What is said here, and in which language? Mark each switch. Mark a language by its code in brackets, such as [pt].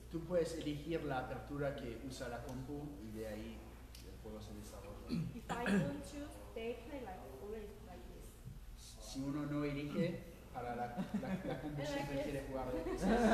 [es] Tú puedes elegir la apertura que usa la compu y de ahí el juego se desarrolla. [en] If I don't choose, they play like always like this. [es] Si uno no elige para la compu siempre quiere jugar de esa.